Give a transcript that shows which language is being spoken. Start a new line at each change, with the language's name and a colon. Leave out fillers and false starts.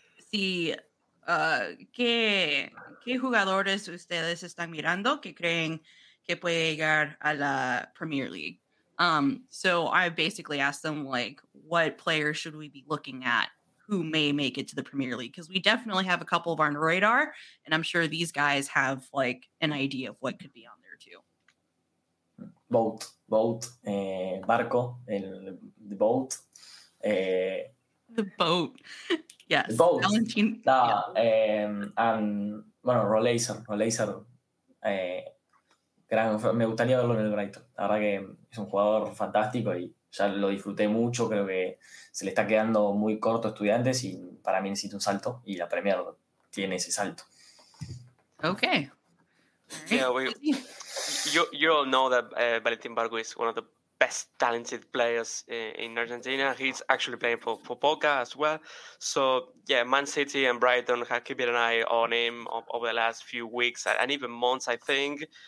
Spanish: Si qué jugadores ustedes están mirando que creen que puede llegar a la Premier League.
English: So I basically asked them, like, what players should we be looking at who may make it to the Premier League? Because we definitely have a couple of on radar, and I'm sure these guys have, like, an idea of what could be on there, too. Boat, Barco, the boat. The boat. Yes. Both. Valentin.
Spanish: Bueno, Rolazer. Me gustaría verlo en el Brighton. La verdad que es un jugador fantástico y ya lo disfruté mucho. Creo que se le está quedando muy corto a Estudiantes y para mí necesita un salto y la Premier tiene ese salto.
English: Okay. Yeah, you all know that Valentin Bargu is one of the best talented players in Argentina. He's actually playing for Boca as well. So yeah, Man City and Brighton have kept an eye on him over the last few weeks and even months, I think.